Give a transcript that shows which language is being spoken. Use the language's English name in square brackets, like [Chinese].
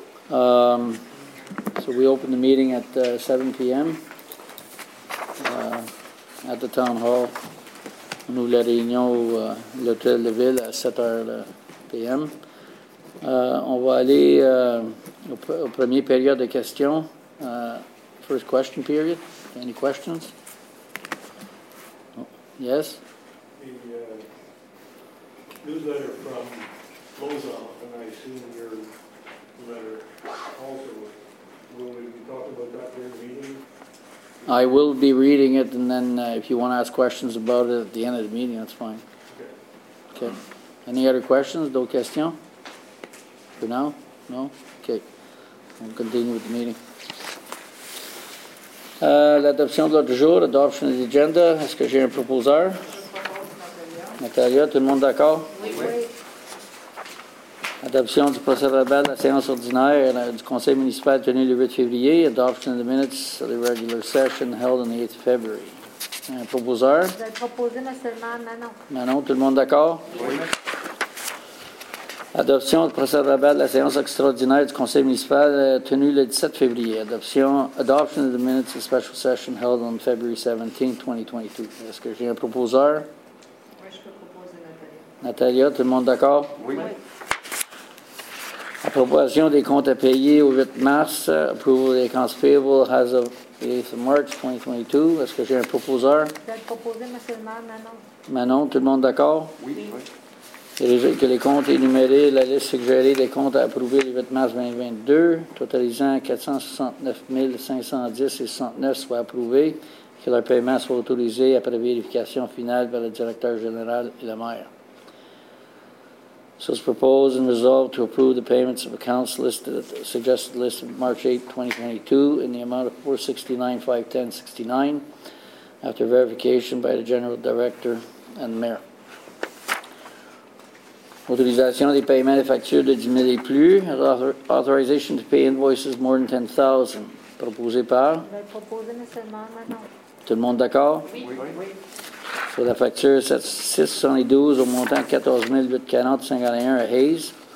[English] So we open the meeting at 7 p.m. At the town hall. [French] On ouvre la réunion à l'hôtel de ville à 7 h p.m. On va aller au premier période de questions. [English] First question period. Any questions? Oh, yes? Newsletter from Lozoff, and I assume your letter also. Will we be talking about that during the meeting? I will be reading it, and then if you want to ask questions about it at the end of the meeting, that's fine. Okay. Okay. Any other questions? No questions? For now? No? Okay. We'll continue with the meeting. [French] L'adoption de l'ordre du jour, [English] adoption of the agenda. [French] Est-ce que j'ai un proposeur? Natalia, tout le monde d'accord? Oui. Adoption du procès-verbal de la séance ordinaire du conseil municipal tenu le 8 février. [English] Adoption of the minutes of the regular session held on the 8th February. [French] Un proposeur? Vous avez proposé, mais seulement Manon. Manon, tout le monde d'accord? Oui. Adoption du procès-verbal de la séance extraordinaire du conseil municipal tenu le 17 février. [English] Adoption of the minutes of the special session held on February 17, 2022. [French] Est-ce que j'ai un proposeur? Natalia, tout le monde d'accord? Oui. Approbation des comptes à payer au 8 mars. [English] Approval of the accounts payable as of 8th of March 2022. [French] Est-ce que j'ai un proposeur? Vous avez proposé, mais seulement Manon. Manon, tout le monde d'accord? Oui. Et que les comptes énumérés, la liste suggérée des comptes à approuver le 8 mars 2022, totalisant 469 510,69 soit approuvé, que leur paiement soit autorisé après vérification finale par le directeur général et le maire. [English] So it's proposed and resolved to approve the payments of accounts listed at the suggested list of March 8, 2022 in the amount of $469,510.69 after verification by the General Director and the Mayor. [French] Autorisation des paiements et factures de 10 000 et plus. [English] Authorization to pay invoices more than $10,000. [French] Proposé par? Proposé nécessairement, tout le monde d'accord? Oui. Sur la facture 712 au montant 14 840,51 à Hayes.